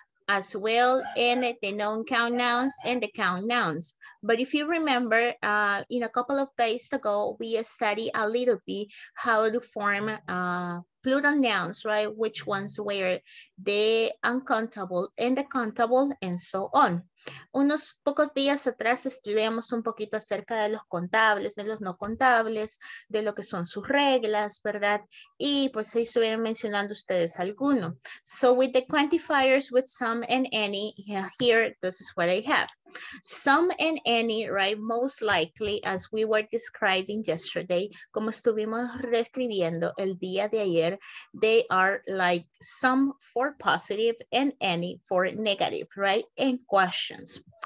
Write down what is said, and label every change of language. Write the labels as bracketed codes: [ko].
[en] As well in the known count nouns and the count nouns. But if you remember, in a couple of days ago, we studied a little bit how to form plural nouns, right? Which ones were the uncountable and the countable and so on. [es] Unos pocos días atrás estudiamos un poquito acerca de los contables, de los no contables, de lo que son sus reglas, ¿verdad? Y pues ahí estuvieron mencionando ustedes alguno. [en] So with the quantifiers with some and any, here, this is what I have. Some and any, right, most likely, as we were describing yesterday, [es] como estuvimos describiendo el día de ayer, [en] they are like some for positive and any for negative, right, in questions.